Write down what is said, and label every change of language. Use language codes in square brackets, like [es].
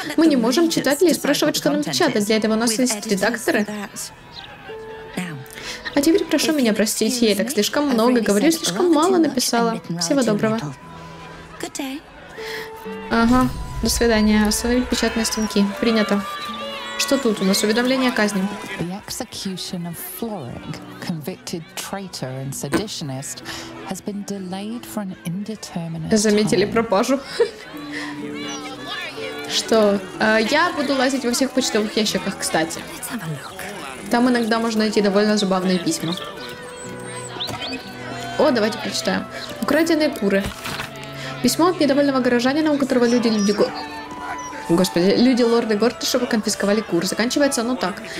[ru] Мы не можем читателей спрашивать, что нам печатать. Для этого у нас есть редакторы. А теперь прошу меня простить. Я так слишком много говорю, слишком мало написала. Всего доброго. Ага. До свидания. Остановить печатные станки. Принято. Что тут у нас? Уведомление о казни. [en] The execution of Florig, convicted traitor and seditionist, has been delayed for an indeterminate time. [ru] Заметили пропажу? Что? Я буду лазить во всех почтовых ящиках, кстати. Там иногда можно найти довольно забавные письма. О, давайте прочитаем. Украденные куры. Письмо от недовольного горожанина, у которого люди лорда Гортышева конфисковали кур. Заканчивается оно так.